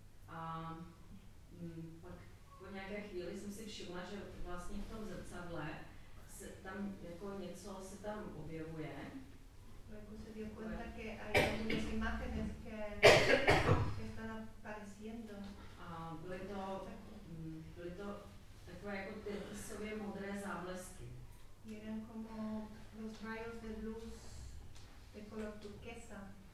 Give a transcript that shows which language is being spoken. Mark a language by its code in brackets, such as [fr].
[cs] A pak po nějaké chvíli jsem si všimla, že vlastně v tom zrcadle se tam jako něco se tam objevuje. [es] Luego se dio cuenta que hay algunas imágenes que apareciendo. [cs] Byly to takové jako tyrkysově modré záblesky. [es] Eran como los rayos de luz de color turquesa.